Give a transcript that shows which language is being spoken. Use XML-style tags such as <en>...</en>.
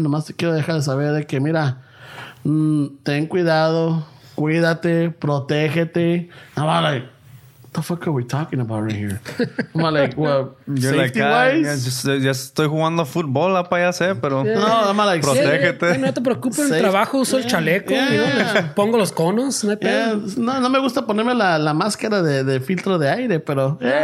<es>Nomás te quiero dejar de saber de que, mira, ten cuidado, cuídate, protégete.</es> <en>I'm like, what the fuck are we talking about right here? I'm like, well, safety-wise.</en> <es>Ya estoy jugando fútbol, apa, ya sé, pero.</es> <en>No, I'm like,</en> <es>protégete. No te preocupes, en el trabajo uso el chaleco, pongo los conos, no hay pedo. No me gusta ponerme la máscara de filtro de aire, pero.</es>